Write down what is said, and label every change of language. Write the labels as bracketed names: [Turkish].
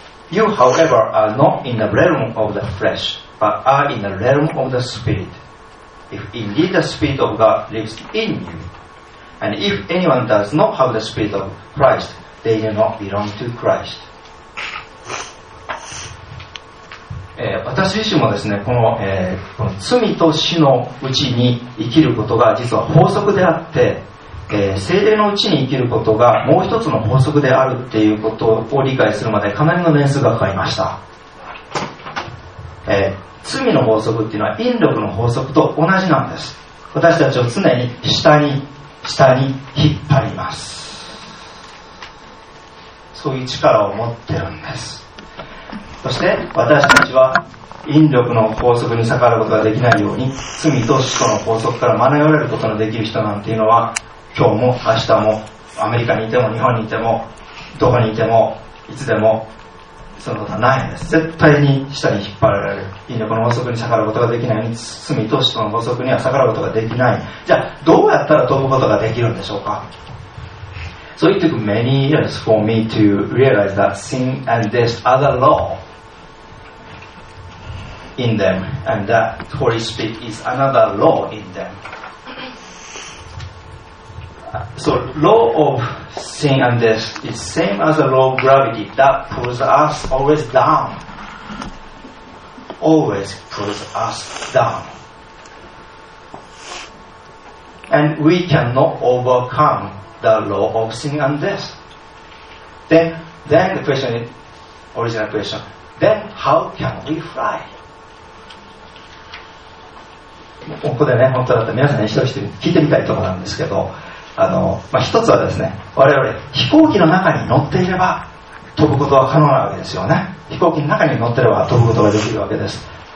[English] You, however, are not in the realm of the flesh, but are in the realm of the Spirit. If indeed the Spirit of God lives in you, and if anyone does not have the Spirit of Christ, they do not belong to Christ. [Japanese] 私自身もですね、この罪と死のうちに生きることが実は法則であって、聖霊のうちに生きることがもう一つの法則であるっていうことを理解するまでかなりの年数がかかりました。罪の法則っていうのは引力の法則と同じなんです。私たちを常に下に下に引っ張ります。そういう力を持ってるんです。そして私たちは引力の法則に逆らうことができないように、罪と死との法則から免れることのできる人なんていうのは、今日も明日もアメリカにいても日本にいてもどこにいてもいつでもそのことはないんです。絶対に下に引っ張られる。引力の法則に逆らうことができないように、罪と死との法則には逆らうことができない。じゃあどうやったら飛ぶことができるんでしょうか。 [English] So it took many years for me to realize that sin and death are the law in them, and that Holy Spirit is another law in them. So law of sin and death is same as the law of gravity that pulls us always down. Always pulls us down. And we cannot overcome the law of sin and death. Then the question is, original question, then how can we fly? [Japanese] ここでね、本当だったら皆さんに一人一人聞いてみたいところなんですけど、一つはですね、我々飛行機の中に乗っていれば飛ぶことは可能なわけですよね。飛行機の中に乗っていれば飛ぶことができるわけです。